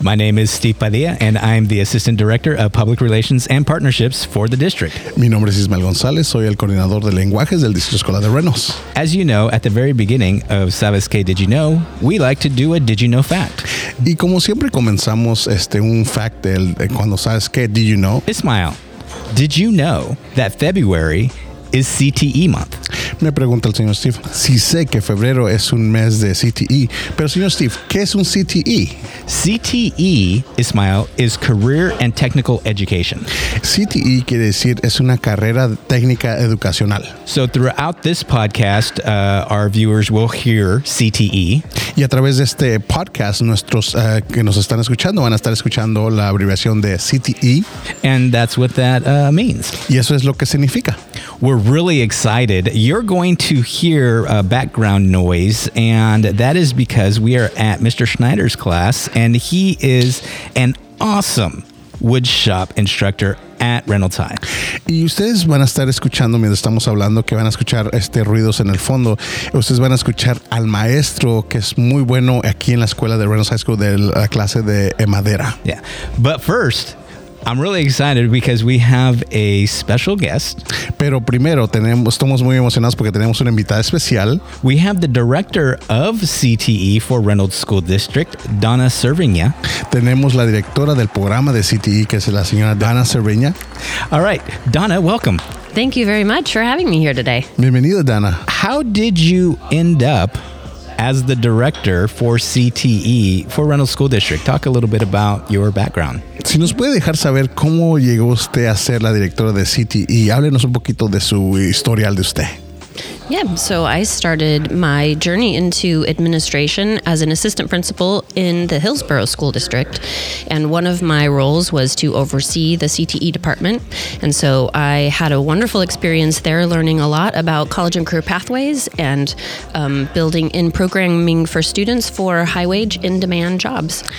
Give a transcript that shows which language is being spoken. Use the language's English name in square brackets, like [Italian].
[English] My name is Steve Padilla, and I'm the Assistant Director of Public Relations and Partnerships for the district. [Spanish] Mi nombre es Ismael González. Soy el coordinador de lenguajes del Distrito Escolar de Reynolds. [English] As you know, at the very beginning of [Spanish] ¿Sabes qué? [English] Did you know? We like to do a did you know fact. [Spanish] Y como siempre comenzamos un fact del cuando ¿Sabes qué? [English] Did you know? Ismael, did you know that February is CTE month? [Spanish] Me pregunta el señor Steve, si sé que febrero es un mes de CTE, pero señor Steve, ¿qué es un CTE? [English] CTE, Ismael, is Career and Technical Education. [Spanish] CTE quiere decir es una carrera técnica educacional. [English] So throughout this podcast, our viewers will hear CTE. [Spanish] Y a través de este podcast, nuestros que nos están escuchando van a estar escuchando la abreviación de CTE. [English] And that's what that means. [Spanish] Y eso es lo que significa. [English] We're really excited. You're going to hear a background noise, and that is because we are at Mr. Schneider's class, and he is an awesome wood shop instructor at Reynolds High. [Spanish] Y ustedes van a estar escuchando mientras estamos hablando que van a escuchar ruidos en el fondo. Ustedes van a escuchar al maestro que es muy bueno aquí en la escuela de Reynolds High School de la clase de madera. [English] Yeah, but first, I'm really excited because we have a special guest. [Spanish] Pero primero, estamos muy emocionados porque tenemos una invitada especial. [English] We have the director of CTE for Reynolds School District, Donna Cerveña. [Spanish] Tenemos la directora del programa de CTE, que es la señora Donna Cerveña. [English] All right, Donna, welcome. Thank you very much for having me here today. [Spanish] Bienvenida, Donna. [English] How did you end up as the director for CTE for Reynolds School District? Talk a little bit about your background. [Spanish] Si nos puede dejar saber cómo llegó usted a ser la directora de CTE, háblenos un poquito de su historial de usted. [English] Yeah, so I started my journey into administration as an assistant principal in the Hillsborough School District, and one of my roles was to oversee the CTE department, and so I had a wonderful experience there learning a lot about college and career pathways and building in programming for students for high-wage, in-demand jobs.